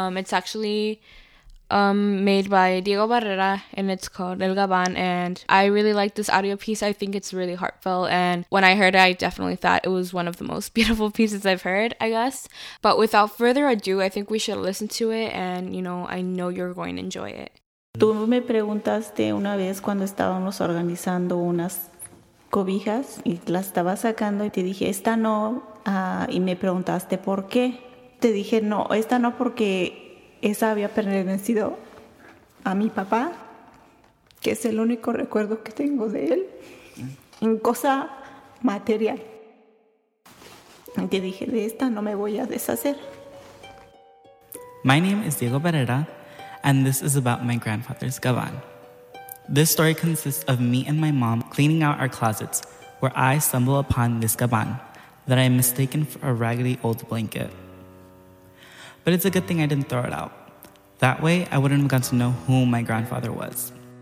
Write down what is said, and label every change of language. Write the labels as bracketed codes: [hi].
[en] It's actually made by Diego Barrera, and it's called El Gabán. And I really like this audio piece. I think it's really heartfelt. And when I heard it, I definitely thought it was one of the most beautiful pieces I've heard, I guess. But without further ado, I think we should listen to it. And, you know, I know you're going to enjoy it. [es] Tú me preguntaste una vez cuando estábamos organizando unas cobijas y las estaba sacando y te dije, esta no. Y me preguntaste por qué. Te dije, no, esta no porque... Esa había pertenecido a mi papá, que es el único recuerdo que tengo de él, en cosa material. Y te dije, de esta no me voy a deshacer. [en] My name is Diego Barrera, and this is about my grandfather's gabán. This story consists of me and my mom cleaning out our closets, where I stumble upon this gabán that I am mistaken for a raggedy old blanket. But it's a good thing I didn't throw it out. That way, I wouldn't have gotten to know who my grandfather was.